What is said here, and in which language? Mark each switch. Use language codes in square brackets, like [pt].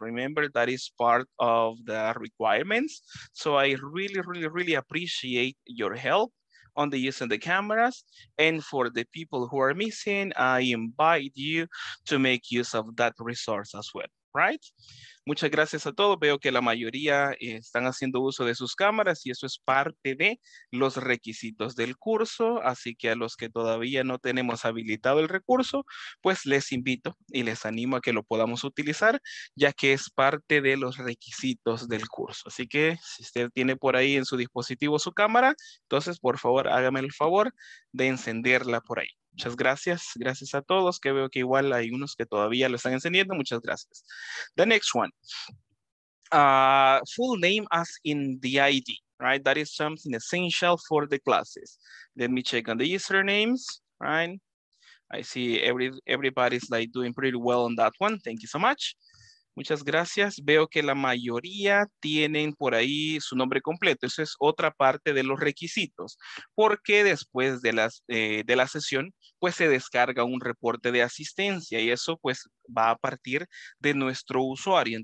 [en] Remember, that is part of the requirements. So I really, really, really appreciate your help on the use of the cameras. And for the people who are missing, I invite you to make use of that resource as well, right? [es] Muchas gracias a todos. Veo que la mayoría están haciendo uso de sus cámaras y eso es parte de los requisitos del curso. Así que a los que todavía no tenemos habilitado el recurso, pues les invito y les animo a que lo podamos utilizar, ya que es parte de los requisitos del curso. Así que si usted tiene por ahí en su dispositivo su cámara, entonces por favor hágame el favor de encenderla por ahí. Muchas gracias. Gracias a todos, que veo que igual hay unos que todavía lo están encendiendo. Muchas gracias. [en] The next one. Full name as in the ID, right? That is something essential for the classes. Let me check on the usernames, right? I see everybody's like doing pretty well on that one. Thank you so much. [es] Muchas gracias. Veo que la mayoría tienen por ahí su nombre completo. Eso es otra parte de los requisitos, porque después de la sesión, pues se descarga un reporte de asistencia y eso pues va a partir de nuestro usuario.